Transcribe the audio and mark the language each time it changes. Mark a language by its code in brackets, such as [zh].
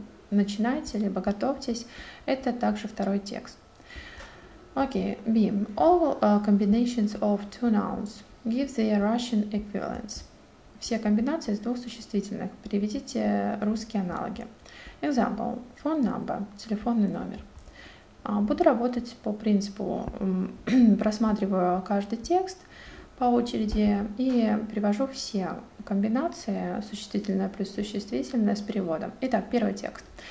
[ru] Начинать, либо готовьтесь. Это также второй текст. Окей, B. [en] All combinations of two nouns give their Russian equivalents. [ru] Все комбинации из двух существительных. Переведите русские аналоги. [en] Example. Phone number. [ru] Телефонный номер. Буду работать по принципу, просматриваю каждый текст по очереди и привожу все комбинации существительное плюс существительное с переводом. Итак, первый текст.